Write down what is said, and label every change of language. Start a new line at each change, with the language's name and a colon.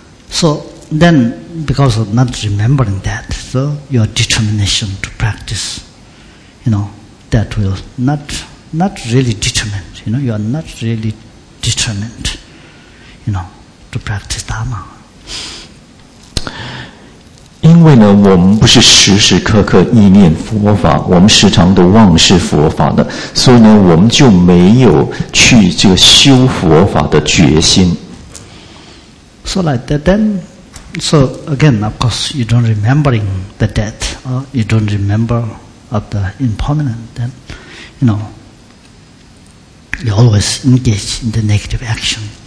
English: So then, because of not remembering that, so your determination to practice, you know, that will not really determine, you know, you are not really determined, you know, to practice Dharma.
Chinese: 因为呢，我们不是时时刻刻意念佛法，我们时常都忘失佛法的，所以呢，我们就没有去这个修佛法的决心。
English: So like that, then, so again, of course, you don't remembering the death, or you don't remember of the impermanent, then, you know, you always engage in the negative action.